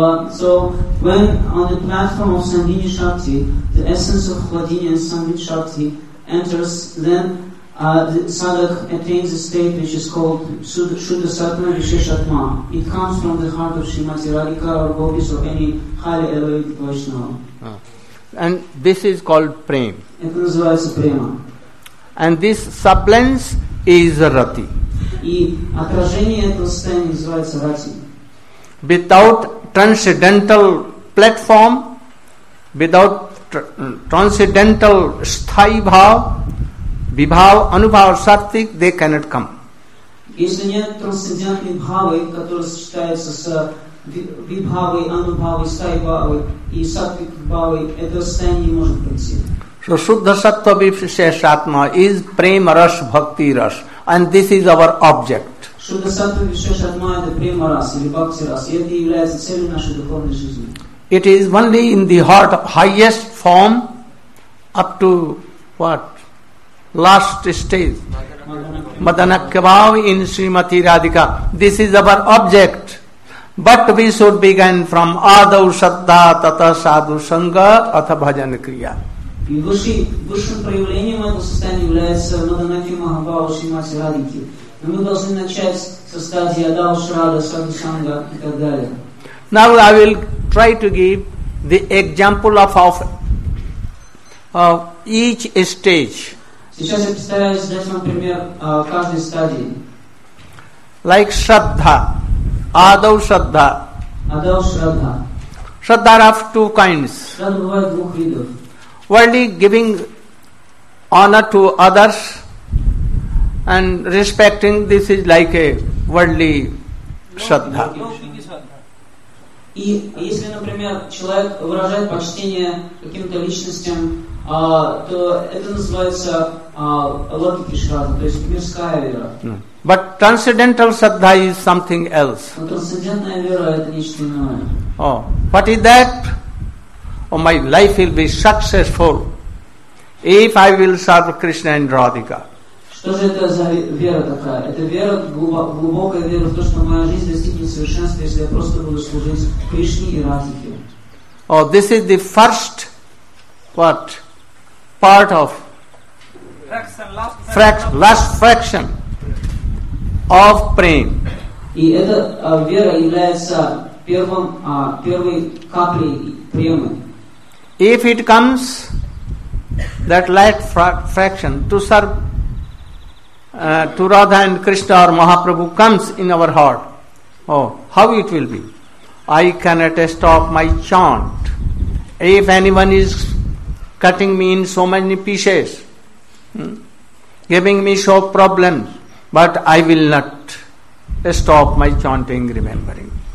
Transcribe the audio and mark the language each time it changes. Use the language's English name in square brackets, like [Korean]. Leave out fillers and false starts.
[English] So, when on the platform of Sandini Shakti, the essence of Kladini and Sandini Shakti enters, then the sadhak attains a state which is called Shuddha-satma Visheshatma. It comes from the heart of Srimati Radhika or Gopis or any highly elevated Vaishnava. And this is called prema. It is called prema. And this sublence is rati. [Russian] И отражение этого состояния называется рати. [English] Without transcendental platform, without transcendental sthayi bhav, vibhav, anubhav, sattvik, they cannot come. [Russian] Если нет трансцендентной бхавы, которая сочетается с вибхавой, анубхавой, sthayi bhavой и sattvik bhavой, это состояние не может прийти. [English] So Shuddha Sattva Visheshatma is Prema Rasa Bhakti Rasa, and this is our object. Shuddha Sattva Visheshatma is Prema Rasa, Bhakti Rasa. It is the cell in our [Russian] duhovne jizmi. [English] It is only in the heart, highest form, up to what? Last stage. Madanakyabhav in Srimati Radhika. This is our object. But we should begin from Adav Shaddha Tata Sadhu Sangha Atha Bhajan Kriya. [Russian] И высшим проявлением этого состояния является Маданати Махабхава Шримати Радхики. Но мы должны начать со стадии Адау Шрада, Саду Санга и так далее. [English] Now I will try to give the example of each stage. [Russian] Сейчас я постараюсь дать вам пример каждой стадии. [English] Like Шрадха, Адау Шрадха. [Russian] Адау Шрадха. [English] Шрадха are of two kinds. [Russian] Шрадха бывает двух видов. [English] Worldly giving honor to others and respecting, this is like a worldly shraddha. [Russian] И если, например, человек выражает почтение каким-то личностям, то это называется лотики шрадха, то есть мирская вера. [English] But transcendental shraddha is something else. [Russian] Но трансцендентная вера это нечто иное. [English] Oh, what is that? Oh, my life will be successful if I will serve Krishna and Radhika. [Russian] Что же это за вера такая? Это вера, глубокая вера в то, что моя жизнь достигнет совершенства, если я просто буду служить Кришне и Радхике. [English] Oh, this is the first what part of last fraction of prem. [Russian] И эта вера является первой каплей премы. [English] If it comes, that light fraction, to serve to Radha and Krishna or Mahaprabhu comes in our heart, oh, how it will be? I cannot stop my chant. If anyone is cutting me in so many pieces, giving me so problems, but I will not stop my chanting, remembering.